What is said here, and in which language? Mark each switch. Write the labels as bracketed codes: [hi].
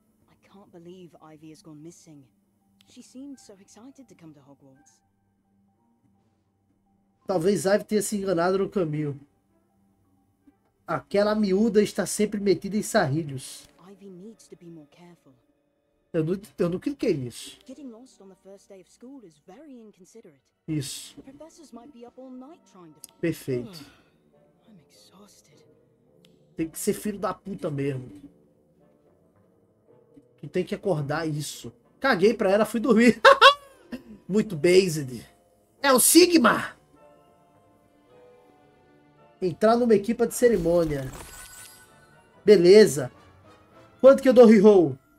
[en] I can't believe Ivy has gone missing. She seemed so excited to come to Hogwarts. [pt] Talvez Ivy tenha se enganado no caminho. Aquela miúda está sempre metida em sarrilhos. [en] Ivy needs to be more careful. [pt] Eu não cliquei nisso. [en] Getting lost on the first day of school is very inconsiderate. [pt] Isso. [en] The professors might be up all night trying to... [pt] Perfeito. [en] I'm exhausted. [pt] Tem que ser filho da puta mesmo. Tu tem que acordar isso. Caguei pra ela, fui dormir. Muito based. É o Sigma! Entrar numa equipa de cerimônia. Beleza. Quanto que eu dou reroll?